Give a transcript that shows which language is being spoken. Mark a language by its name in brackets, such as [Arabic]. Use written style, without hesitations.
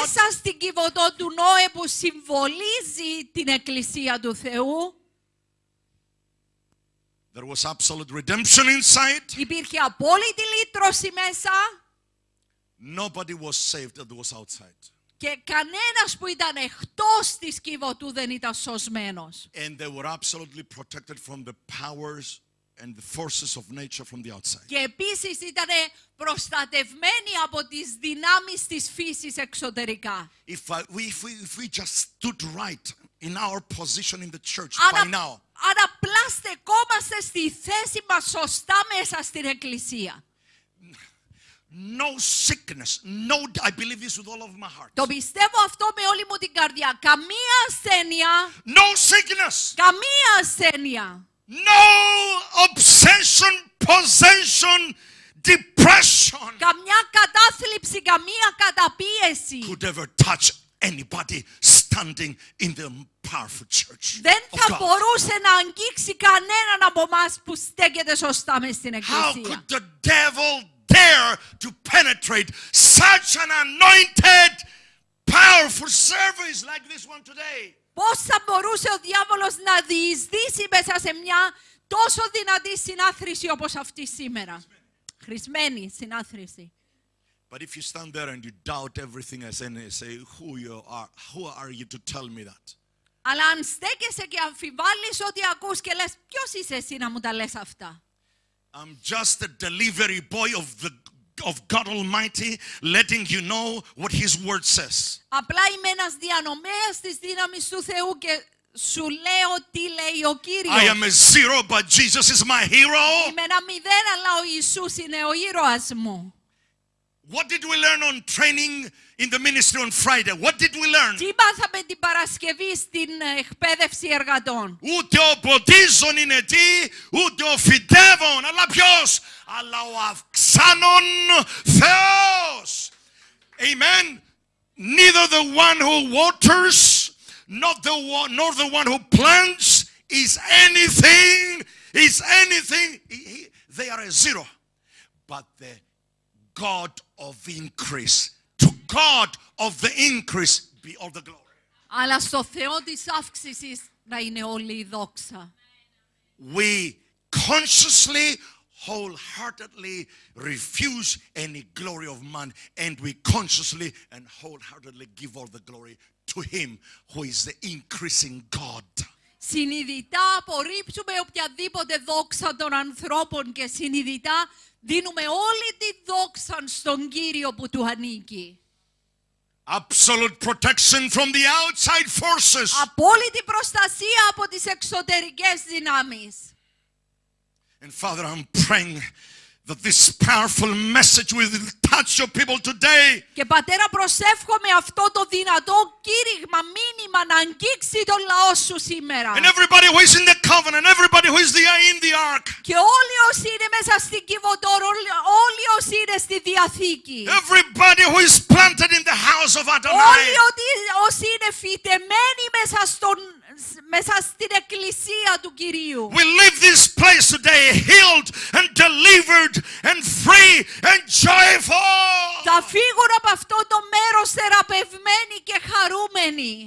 [Greek] Μέσα στην κυβωτό του Νόε που συμβολίζει την εκκλησία του Θεού. [English] There was absolute redemption inside. [Greek] Υπήρχε απόλυτη λύτρωση μέσα. [English] Nobody was saved that was outside. [Greek] Και κανένας που ήταν εκτός της κυβωτού δεν ήταν σωσμένος. [English] And they were absolutely protected from the powers and the forces of nature from the outside. [Greek] Και επίσης ήταν προστατευμένοι από τις δυνάμεις της φύσης εξωτερικά. [English] If we just stood right in our position in the church by now. [Greek] Αν απλά στεκόμαστε στη θέση μας σωστά μέσα στην εκκλησία. [English] No sickness, no, I believe this with all of my heart. [Greek] Το πιστεύω αυτό με όλη μου την καρδιά. Καμία ασθένεια. [English] No sickness. [Greek] Καμία ασθένεια. [English] No obsession, possession, depression. [Greek] Καμιά κατάθλιψη, καμία καταπίεση. [English] Could ever touch anybody standing in the powerful church. [Greek] Δεν θα μπορούσε να αγγίξει κανέναν από μας που στέκεται σωστά μέσα στην εκκλησία. [English] How could the devil dare to penetrate such an anointed, powerful service like this one today? [Greek] Πώς θα μπορούσε ο διάβολος να διεισδύσει μέσα σε μια τόσο δυνατή συνάθρηση όπως αυτή σήμερα? Χρησμένη συνάθρηση. [English] But if you stand there and you doubt everything I say, who are you to tell me that? [Greek] Αλλά αν στέκεσαι και αμφιβάλλεις ό,τι ακούς και λες, ποιος είσαι εσύ να μου τα λες αυτά? [English] I'm just a delivery boy of God Almighty, letting you know what His Word says. [Greek] Απλά είμαι ένας διανομέας της δύναμης του Θεού και σου λέω τι λέει ο Κύριος. [English] I am a zero, but Jesus is my hero. [Greek] Είμαι ένα μηδέν, αλλά ο Ιησούς είναι ο ήρωας μου. [English] What did we learn on training in the ministry on Friday? What did we learn? [Greek] Τι μάθαμε την Παρασκευή στην εκπαίδευση εργατών? Ούτε ο ποτίζων είναι τι, ούτε ο φυτεύων, αλλά ποιος? Αλλά ο αυξάνων Θεός. Amen. [English] Neither the one who waters, nor the one who plants is anything. They are a zero. But the God of increase. To God of the increase be all the glory. [Greek] Αλλά στο Θεό της αύξησης να είναι όλη η δόξα. [English] We consciously, wholeheartedly refuse any glory of man, and we consciously and wholeheartedly give all the glory to Him who is the increasing God. [Greek] Συνειδητά απορρίψουμε οποιαδήποτε δόξα των ανθρώπων και συνειδητά δίνουμε όλη τη δόξα στον Κύριο που του ανήκει. [English] Absolute protection from the outside forces. [Greek] Απόλυτη προστασία από τις εξωτερικές δυνάμεις. [English] And Father, I'm praying that this powerful message will touch your people today. [Greek] Και Πατέρα, προσεύχομαι αυτό το δυνατό κήρυγμα, μήνυμα να αγγίξει τον λαό σου σήμερα. [English] And everybody who is in the covenant, everybody who is in the ark. [Greek] Και όλοι όσοι είναι μέσα στην κυβωτό, όλοι όσοι είναι στη διαθήκη. [English] Everybody who is planted in the house of Adonai. [Greek] Όλοι όσοι είναι φυτεμένοι μέσα στον μέσα στην εκκλησία του Κυρίου. [English] We leave this place today healed and delivered and free and joyful. [Greek] Θα φύγουν από αυτό το μέρος θεραπευμένοι και χαρούμενοι.